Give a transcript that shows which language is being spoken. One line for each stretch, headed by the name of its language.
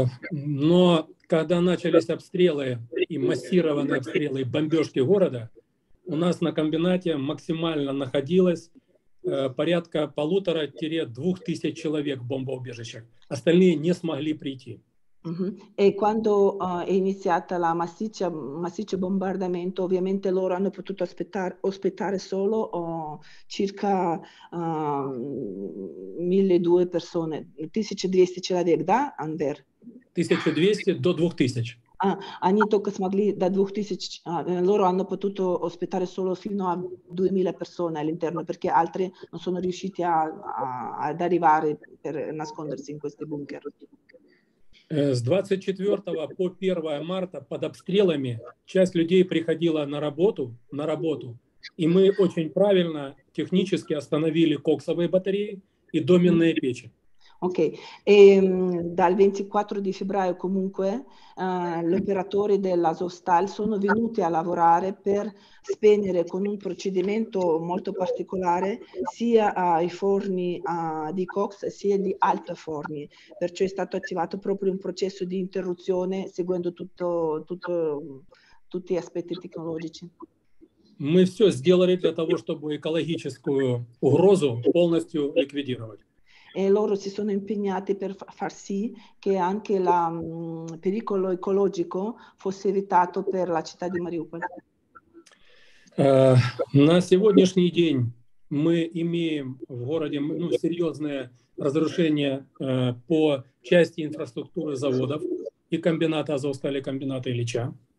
Russian: Но когда начались обстрелы и массированные обстрелы и бомбежки города, у нас на комбинате максимально находилось порядка 1,5-2 тысяч человек в бомбоубежищах. Остальные не смогли прийти.
Italian: E quando è iniziata la massiccia bombardamento, ovviamente loro hanno potuto ospitare solo circa 1200 persone,
Russian: 1200 человек, да,
Italian: Андер?
Russian: 1200 до 2000.
Italian: Loro hanno potuto ospitare solo fino a 2000 persone all'interno, perché altri non sono riusciti ad arrivare per nascondersi in questi bunker.
Russian: С 24 по 1 марта под обстрелами часть людей приходила на работу, и мы очень правильно технически остановили коксовые батареи и доменные печи. Окей. И
Italian: dal 24 di febbraio comunque gli operatori dell'Azovstal sono venuti a lavorare per spegnere con un procedimento molto particolare sia i forni di Cox sia di altri forni. Perciò è stato attivato proprio un processo di interruzione seguendo tutti gli aspetti tecnologici.
Russian: Мы все сделали для того, чтобы экологическую угрозу полностью ликвидировать.
Italian: E loro si sono impegnati per far sì che anche il pericolo ecologico fosse evitato per la città di Mariupol.
Russian: На сегодняшний день мы имеем в городе серьезное разрушение по части инфраструктуры заводов и комбината Азовстали, комбината Ильича.